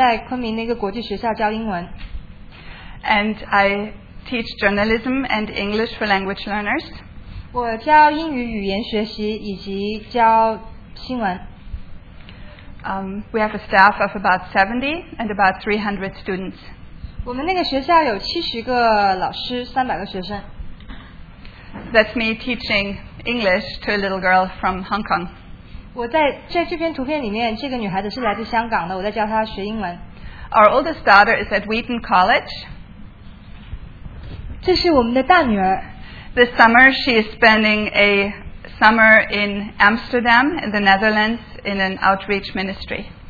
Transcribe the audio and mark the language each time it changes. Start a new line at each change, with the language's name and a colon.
Chinese: 我在2年前的时候，我开始在昆明那个国际学校教英文。
English: And I teach journalism and English for language learners.
Chinese: 我教英语语言学习以及教新闻。
English: We have a staff of about 70 and about 300 students.
Chinese: 我们那个学校有70个老师，300个学生。
English: That's me teaching English to a little girl from Hong Kong.
Chinese: 我在这篇图片里面，这个女孩子是来自香港的，我在教她学英文。
English: Our oldest daughter is at Wheaton College.
Chinese: 这是我们的大女儿。
English: This summer she is spending a summer in Amsterdam, in the Netherlands, in an outreach ministry.